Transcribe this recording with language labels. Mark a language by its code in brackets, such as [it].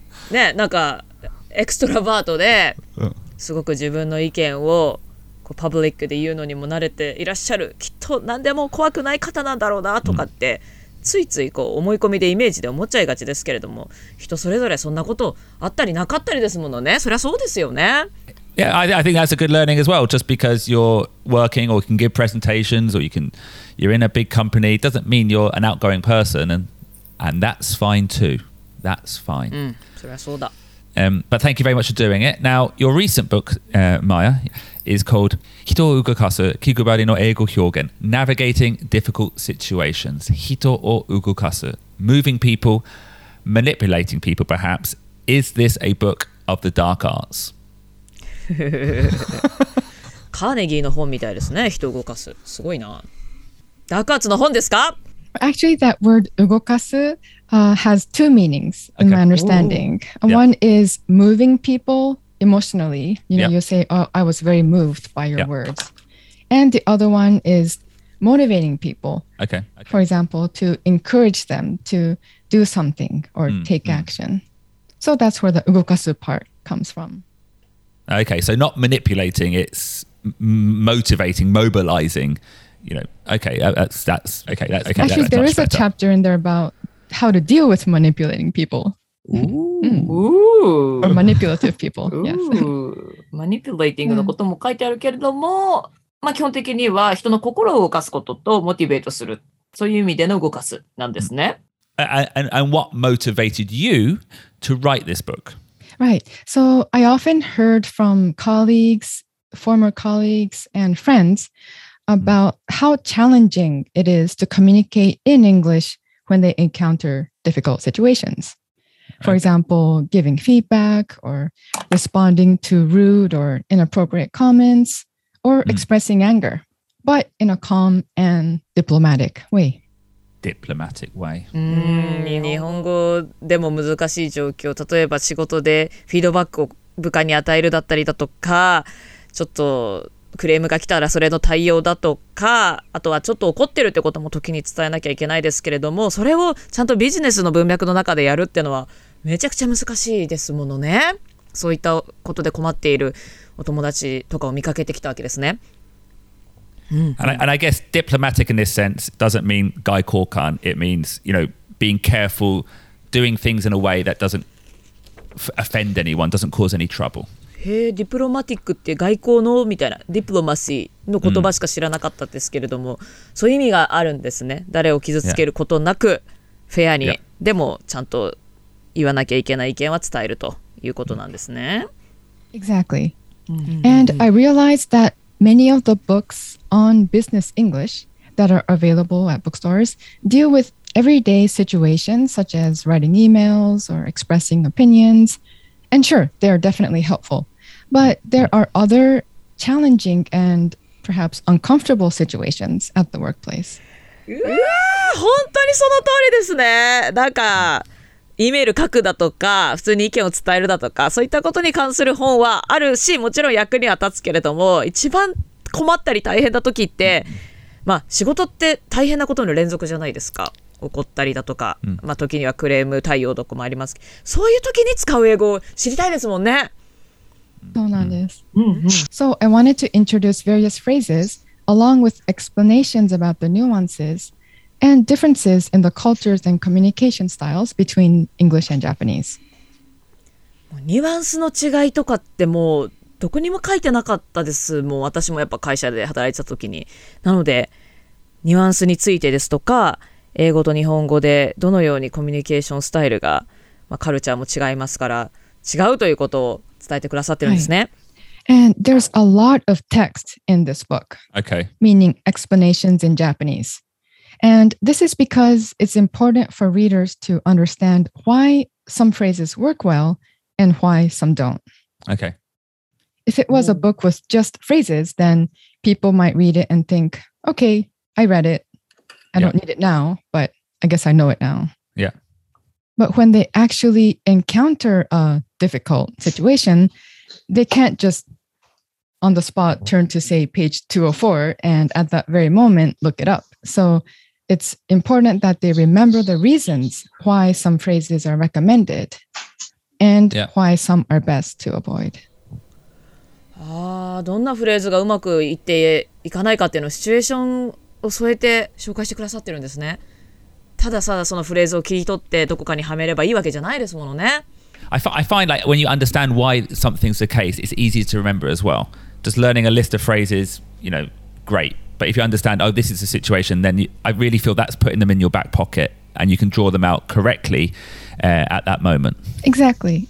[ja] ね、なんかエクストロバートですごく自分の意見をこうパブリックで言うのにも慣れていらっしゃる、きっと何でも怖くない方なんだろうなとかって。ついついこう思い込みでイメージで思っちゃいがちですけれども、人それぞれそんなことあったりなかったりですものね。そりゃそうですよね。 [en] Yeah, I think that's a good learning as well. Just because you're working or you can give presentations or you're in a big company doesn't mean you're an outgoing person, and that's fine too. That's fine. [ja] うん、そりゃそうだ。 [en] But thank you very much for doing it. Now, your recent book, Maya, is called [ja] 人を動かす気配りの英語表現 [en] Navigating Difficult Situations [ja] 人を動かす [en] Moving people, manipulating people perhaps Is this a book of the dark arts? [ja] カーネギーの本みたいですね人を動かすすごいなダークアーツの本ですか [en] Actually, that word 動かすhas two meanings in my understanding. Ooh. One is moving people emotionally. You know, you say, oh, I was very moved by your words. And the other one is motivating people. Okay. For example, to encourage them to do something or take action. So that's where the 動かす part comes from. Okay. So not manipulating, it's motivating, mobilizing. You know, okay. That's okay. Actually, there is a chapter in there about. How to deal with manipulating people. Ooh. Or manipulative people. Ooh. Yes. [ja] Manipulating のことも書いてあるけれども、まあ、基本的には人の心を動かすこととモチベートする。そういう意味での動かすなんですね。 [en] And what motivated you to write this book? Right. So I often heard from colleagues, former colleagues and friends about how challenging it is to communicate in English. When they encounter difficult situations. For example, giving feedback or responding to rude or inappropriate comments or expressing anger, but in a calm and diplomatic way. Diplomatic way. [ja] 日本語でも難しい状況、例えば仕事でフィードバックを部下に与えるだったりだとか、ちょっとクレームが来たらそれの対応だとかあとはちょっと怒ってるってことも時に伝えなきゃいけないですけれどもそれをちゃんとビジネスの文脈の中でやるっていうのはめちゃくちゃ難しいですものねそういったことで困っているお友達とかを見かけてきたわけですね、 [en] And I guess diplomatic in this sense doesn't mean 外交官 It means, you know, being careful doing things in a way that doesn't offend anyone doesn't cause any trouble [ja] へえ、ディプロマティックって外交のみたいな、ディプロマシーの言葉しか知らなかったですけれども、そういう意味があるんですね。誰を傷つけることなく、フェアに、でもちゃんと言わなきゃいけない意見は伝えるということなんですね。 [en] Exactly. And I realized that many of the books on business English that are available at bookstores deal with everyday situations such as writing emails or expressing opinions. And sure, they are definitely helpful. But there are other challenging and perhaps uncomfortable situations at the workplace. [ja] Yeah, 本当にその通りですね。なんか、E メール書くだとか、普通に意見を伝えるだとか、そういったことに関する本はあるし、もちろん役には立つけれども、一番困ったり大変な時って、まあ仕事って大変なことの連続じゃないですか。怒ったりだとか、まあ、時にはクレーム対応とかもありますけど、そういう時に使う英語を知りたいですもんね。そうなんです。 [en] So I wanted to introduce various phrases along with explanations about the nuances and differences in the cultures and communication styles between English and Japanese. [ja] ニュアンスの違いとかってもうどこにも書いてなかったです。もう私もやっぱ会社で働いてた時に。なので、ニュアンスについてですとか、英語と日本語でどのようにコミュニケーションスタイルが、まあ、カルチャーも違いますから、違うということを伝えてくださってるんですね。 [en] はい、And there's a lot of text in this book. Okay. Meaning explanations in Japanese. And this is because it's important for readers to understand why some phrases work well and why some don't. Okay. If it was a book with just phrases, then people might read it and think, okay, I read it. I don't need it now, but I guess I know it now. Yeah. But when they actually encounter a difficult situation, they can't just on the spot turn to say page 204 and at that very moment look it up. So it's important that they remember the reasons why some phrases are recommended and why some are best to avoid. [ja] ああ、どんなフレーズがうまくいっていかないかっていうのをシチュエーションを添えて紹介してくださってるんですね。たださ、そのフレーズを切り取ってどこかにはめればいいわけじゃないですものね。 [en] I find like when you understand why something's the case, it's easy to remember as well. Just learning a list of phrases, you know, great. But if you understand, oh, this is the situation, then I really feel that's putting them in your back pocket. And you can draw them out correctly, at that moment. Exactly.